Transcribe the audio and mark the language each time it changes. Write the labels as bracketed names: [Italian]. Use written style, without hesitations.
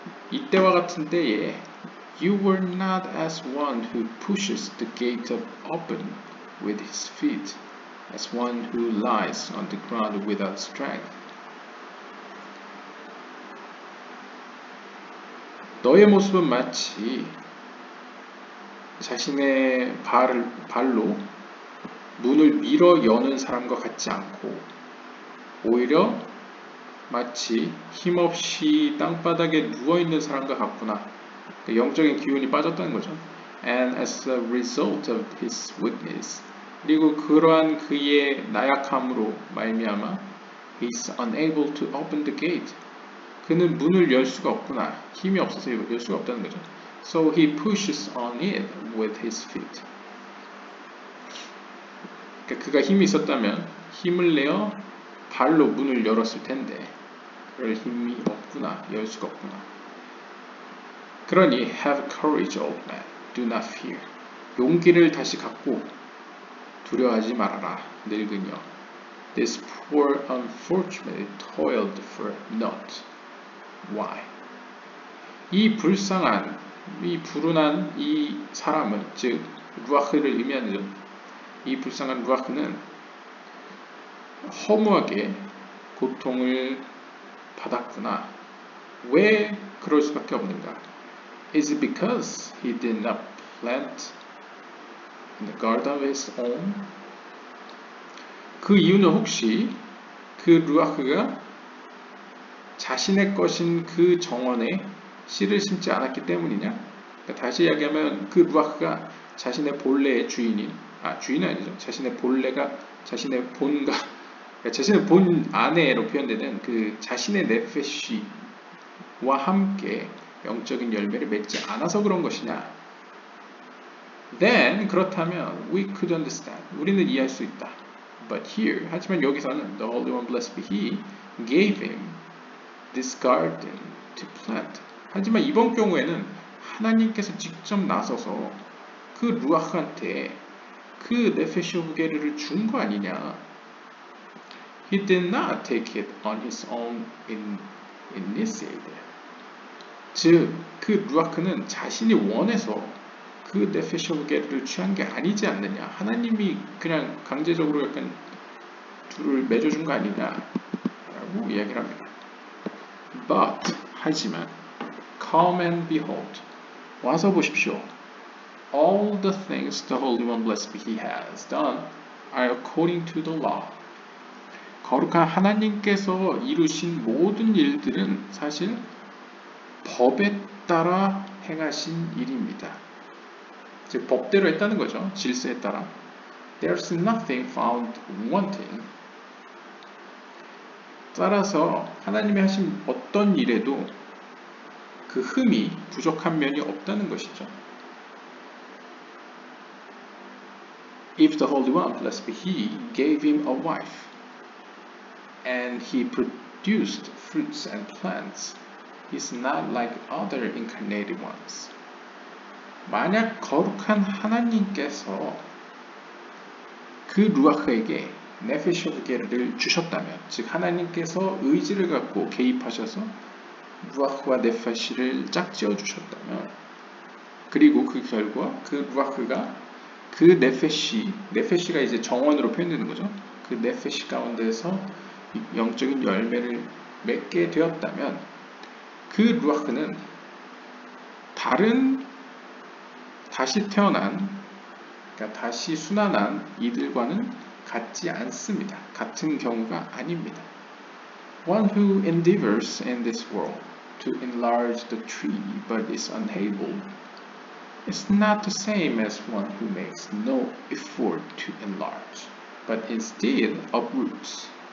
[Korean] 이때와 같은 때에 [English] You were not as one who pushes the gate open with his feet. As one who lies on the ground without strength. [Korean] 너의 모습은 마치 자신의 발로 문을 밀어 여는 사람과 같지 않고 오히려 마치 힘없이 땅바닥에 누워있는 사람과 같구나. 영적인 기운이 빠졌다는 거죠. [English] And as a result of his weakness. [Korean] 그리고 그러한 그의 나약함으로 말미암아 [English] He is unable to open the gate. [Korean] 그는 문을 열 수가 없구나. 힘이 없어서 열 수가 없다는 거죠. [English] So he pushes on it with his feet. [Korean] 그러니까 그가 힘이 있었다면 힘을 내어 발로 문을 열었을 텐데 그럴 힘이 없구나. 열 수가 없구나. 그러니 [English] Have courage, old man. Do not fear. [Korean] 용기를 다시 갖고 두려워하지 말아라, 늙은이여. [English] This poor unfortunate toiled for naught. Why? [Korean] 이 불운한 이 사람은, 즉 루아흐를 의미하는 이 불쌍한 루아흐는 허무하게 고통을 받았구나. 왜 그럴 수밖에 없는가? [English] Is it because he did not plant in the garden of his own? [Korean] 그 이유는 혹시 그 루아흐가 자신의 것인 그 정원에 씨를 심지 않았기 때문이냐? 다시 이야기하면 그 루아흐가 자신의 본래의 주인이, 아 주인은 아니죠. 자신의 본래가 자신의 본가, 자신의 본 아내로 표현되는 그 자신의 네페쉬와 함께 영적인 열매를 맺지 않아서 그런 것이냐? [English] Then [Korean] 그렇다면 [English] we could understand. [Korean] 우리는 이해할 수 있다. [English] But here, [Korean] 하지만 여기서는 [English] the Holy One blessed be He gave him this garden to plant. [Korean] 하지만 이번 경우에는 하나님께서 직접 나서서 그 루아흐한테 그 네페쉬 후계를 준 거 아니냐? [English] He did not take it on his own initiative. [Korean] 즉, 그 루아크는 자신이 원해서 그 네페쉬 후계를 취한 게 아니지 않느냐? 하나님이 그냥 강제적으로 약간 둘을 맺어준 거 아니냐? 라고 이야기를 합니다. [English] But, [Korean] 하지만, [English] come and behold. [Korean] 와서 보십시오. [English] All the things the Holy One blessed be He has done are according to the law. [Korean] 거룩한 하나님께서 이루신 모든 일들은 사실 법에 따라 행하신 일입니다. 즉 법대로 했다는 거죠. 질서에 따라. [English] There's nothing found wanting. [Korean] 따라서 하나님이 하신 어떤 일에도 그 흠이 부족한 면이 없다는 것이죠. [English] If the Holy One, blessed be He, gave him a wife, and he produced fruits and plants, he's not like other incarnated ones. [Korean] 만약 거룩한 하나님께서 그 루아흐에게 네페쉬 후계를 주셨다면, 즉 하나님께서 의지를 갖고 개입하셔서 루아흐와 네페쉬를 짝지어 주셨다면, 그리고 그 결과 그 루아흐가 그 네페쉬가 이제 정원으로 표현되는 거죠. 그 네페쉬 가운데서 영적인 열매를 맺게 되었다면 그 루아흐는 다른 다시 태어난, 그러니까 다시 순환한 이들과는 같지 않습니다. 같은 경우가 아닙니다. [English] One who endeavors in this world to enlarge the tree but is unable is not the same as one who makes no effort to enlarge but instead uproots.